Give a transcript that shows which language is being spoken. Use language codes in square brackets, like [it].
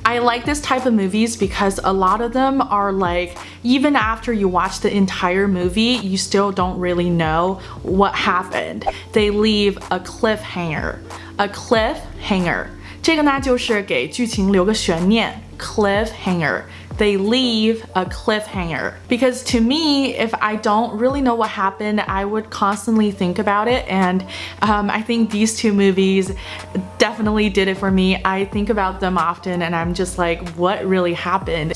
[en] I like this type of movies because a lot of them are like, even after you watch the entire movie, you still don't really know what happened. They leave a cliffhanger. A cliffhanger. [zh] 这个呢就是给剧情留个悬念。 [en] Cliffhanger. They leave a cliffhanger. Because to me, if I don't really know what happened, I would constantly think about it. And I think these two movies definitely did it for me. I think about them often and I'm just like, what really happened?